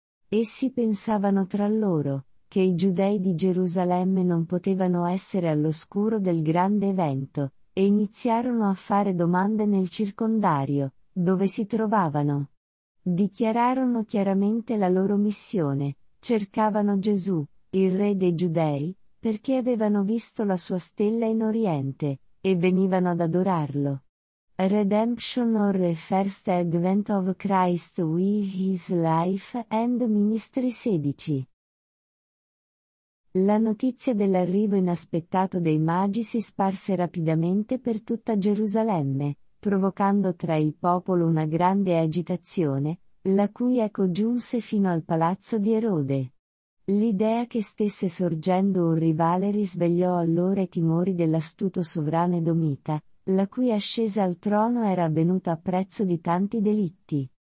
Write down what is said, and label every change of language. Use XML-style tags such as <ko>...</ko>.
<it>Essi pensavano tra loro che i giudei di Gerusalemme non potevano essere all'oscuro del grande evento, e iniziarono a fare domande nel circondario, dove si trovavano. Dichiararono chiaramente la loro missione: cercavano Gesù, il re dei giudei, perché avevano visto la sua stella in Oriente, e venivano ad adorarlo.</it> <en>Redemption or the First Advent of Christ with His Life and Ministry 16.</en> <it>La notizia dell'arrivo inaspettato dei magi si sparse rapidamente per tutta Gerusalemme, provocando tra il popolo una grande agitazione, la cui eco giunse fino al palazzo di Erode. L'idea che stesse sorgendo un rivale risvegliò allora i timori dell'astuto sovrano Edomita, la cui ascesa al trono era avvenuta a prezzo di tanti delitti.</it>